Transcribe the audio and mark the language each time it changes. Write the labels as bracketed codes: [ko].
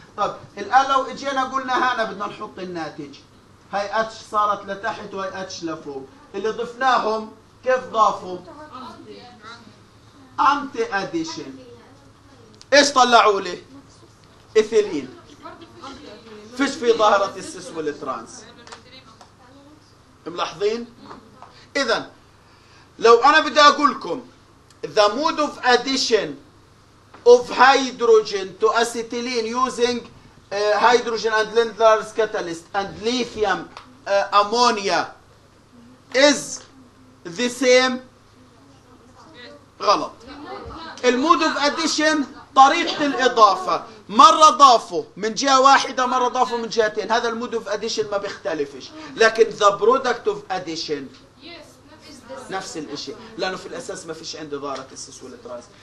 [ar] طب الان لو اجينا قلنا هنا بدنا نحط الناتج، هاي اتش صارت لتحت وهي اتش لفوق، اللي ضفناهم كيف ضافوا؟ انتي اديشن. ايش طلعوا لي؟ إيثيلين. فيش في ظاهرة السيس والترانس. ملاحظين؟ إذا لو أنا بدي أقول لكم [en] the mood of addition of hydrogen to acetylene using hydrogen and Lindlar's catalyst and lithium ammonia is the same، [ar] غلط. المود [en] of addition [ar] طريقة الإضافة، مرة ضافوا من جهة واحدة، مرة ضافوا من جهتين، هذا المود اوف اديشن ما بيختلفش، لكن [en] the product of addition [ar] نفس الشيء، لأنه في الأساس ما فيش عندي ظاهرة السيس والترانس.